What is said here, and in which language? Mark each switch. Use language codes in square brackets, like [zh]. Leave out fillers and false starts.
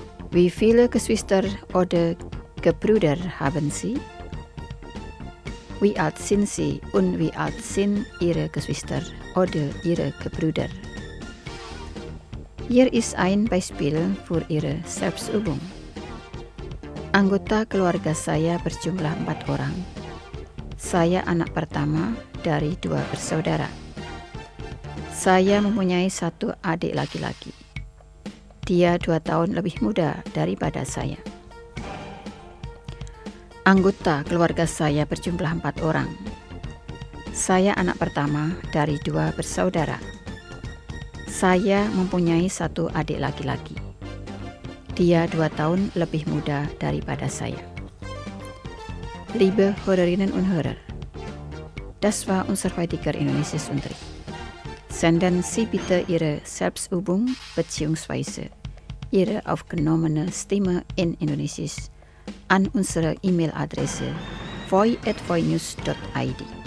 [de] Wie viele Geschwister oder Gebrüder haben Sie? Wie alt sind Sie und wie alt sind Ihre Geschwister oder Ihre Gebrüder? Hier ist ein Beispiel für Ihre Selbstübung. [id] Anggota keluarga saya berjumlah 4 orang. Saya anak pertama dari 2 bersaudara. Saya mempunyai 1 adik laki-laki. Dia 2 tahun lebih muda daripada saya. Anggota keluarga saya berjumlah 4 orang. Saya anak pertama dari 2 bersaudara. Saya mempunyai 1 adik laki-laki. Dia 2 tahun lebih muda daripada saya. [de] Liebe Hörerinnen und Hörer, das war unser heutiger Indonesisch-Unterricht. Senden Sie bitte Ihre Selbstübung bzw. Ihre aufgenommene Stimme in Indonesisch an unsere E-Mail-Adresse voi@voinews.id.